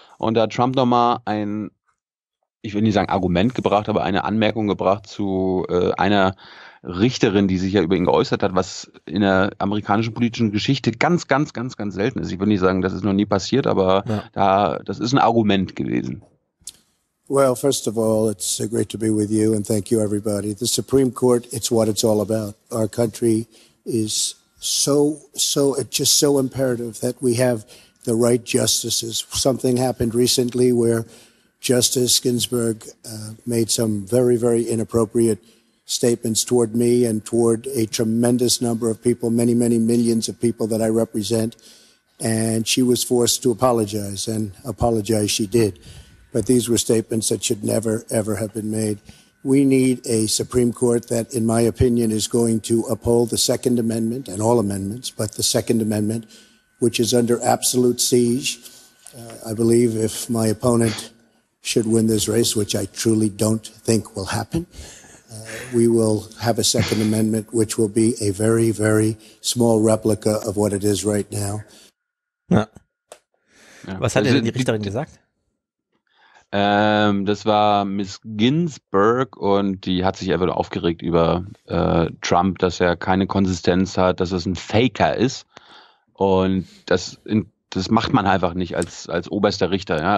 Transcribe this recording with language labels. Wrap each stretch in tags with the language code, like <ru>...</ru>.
<de>Und da hat Trump nochmal ein, ich will nicht sagen Argument gebracht, aber eine Anmerkung gebracht zu einer Richterin, die sich ja über ihn geäußert hat, was in der amerikanischen politischen Geschichte ganz, ganz, ganz, ganz selten ist. Ich will nicht sagen, das ist noch nie passiert, aber ja, da, das ist ein Argument gewesen.</de> <en>Well, first of all, it's great to be with you and thank you, everybody. The Supreme Court, it's what it's all about. Our country is so it's just so imperative that we have the right justices. Something happened recently where Justice Ginsburg made some very, very inappropriate statements toward me and toward a tremendous number of people, many, many millions of people that I represent. And she was forced to apologize, and apologize she did. But these were statements that should never, ever have been made. We need a Supreme Court that, in my opinion, is going to uphold the Second Amendment and all amendments, but the Second Amendment, which is under absolute siege. I believe if my opponent should win this race, which I truly don't think will happen, we will have a Second Amendment, which will be a very, very small replica of what it is right now.</en> <de>Ja. Was hat denn die Richterin gesagt? Das war Miss Ginsburg und die hat sich einfach nur aufgeregt über Trump, dass er keine Konsistenz hat, dass es ein Faker ist. Und das macht man einfach nicht als oberster Richter. Ja?</de>